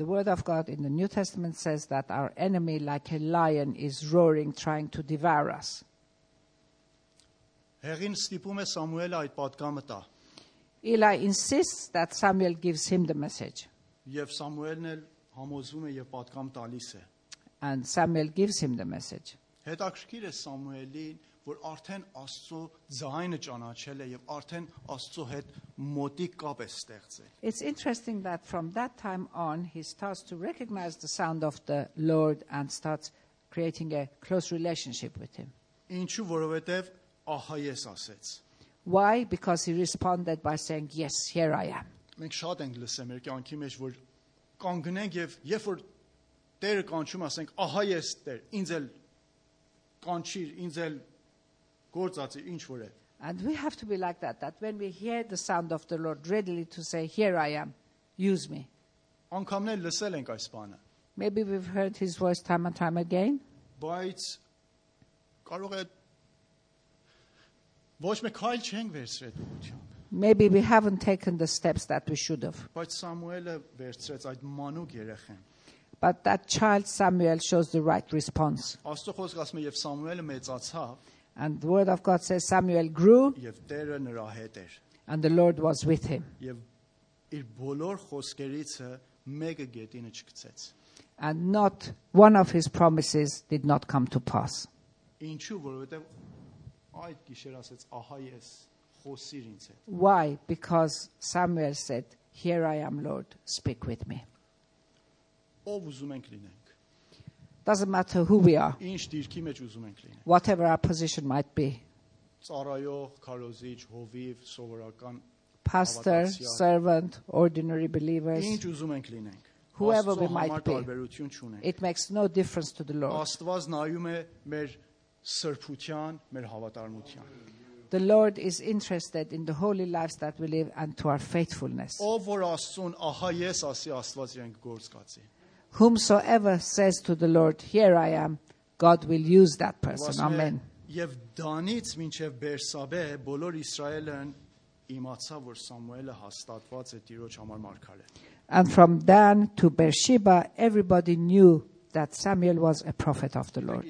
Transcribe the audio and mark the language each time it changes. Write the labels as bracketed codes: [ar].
[en] the Word of God in the New Testament says that our enemy, like a lion, is roaring, trying to devour us. [hy] Հեղին ստիպում է Սամուելը այդ պատգամը տա. [en] Eli insists that Samuel gives him the message. [hy] Եվ Սամուելն էլ համոզվում է եւ պատգամ տալիս է. [en] And Samuel gives him the message. [hy] Հետաքրքիր է Սամուելին, որ արդեն Աստծո ձայնը ճանաչել է եւ արդեն Աստծո հետ մոտիկ կապ է ստեղծել. [en] It's interesting that from that time on he starts to recognize the sound of the Lord and starts creating a close relationship with him. [hy] Ինչու, որովհետեւ ահա ես ասեց. [en] Why? Because he responded by saying, yes, here I am. [hy] Մենք շատ ենք լսել մեր կյանքի մեջ, որ կանգնենք եւ երբ որ Տերը կանչում, ասենք, ահա ես Տեր, ինձ էլ կանչիր, ինձ էլ գործածի, ինչ որ է. [en] And we have to be like that when we hear the sound of the Lord readily to say, here I am, use me. [hy] Անկամներ լսել ենք այս բանը. [en] Maybe we've heard his voice time and time again. [hy] Բայց կարող է ոչ մեկ այլ չենք վերցրել ուղությամբ. [en] Maybe we haven't taken the steps that we should have. [hy] Բայց Սամուելը վերցրեց այդ մանուկ երեխան. [en] But that child Samuel shows the right response. [hy] Աստծո խոսքը ասում է, եւ Սամուելը մեծացավ. [en] And the word of God says Samuel grew. [hy] Եւ Տերը նրա հետ էր. [en] And the Lord was with him. [hy] Եւ իր բոլոր խոսքերիցը մեկը գետինը չգցեց. [en] And not one of his promises did not come to pass. [hy] Ինչու, որովհետեւ այդ գիշեր ասեց, ահա ես, խոսիր ինձ հետ. [en] Why? Because Samuel said, here I am, Lord, speak with me. [hy] Ով ուզում ենք լինենք. [en] Doesn't matter who we are. [hy] Ինչ դիրքի մեջ ուզում ենք լինենք. [en] Whatever our position might be. [hy] Ծառայող, քարոզիչ, հովիվ, սովորական, [en] pastor, servant, ordinary believers. [hy] Ինչ ուզում ենք լինենք. [en] Whoever we might be. [hy] Տարբերություն չունենք. [en] It makes no difference to the Lord. [hy] Աստված նայում է մեր սրբության, մեր հավատարմության. [en] The Lord is interested in the holy lives that we live and to our faithfulness. [hy] Ով որ ասուն, ահա ես ասի Աստված իրեն գործ կացի. [en] Whomsoever says to the Lord, here I am, God will use that person. Amen. [hy] Եվ Դանից մինչև Բերսաբե բոլոր Իսրայելն իմացավ, որ Սամուելը հաստատված է Տիրոջ համար մարգարե։ [en] And from Dan to Beersheba, everybody knew that Samuel was a prophet of the Lord.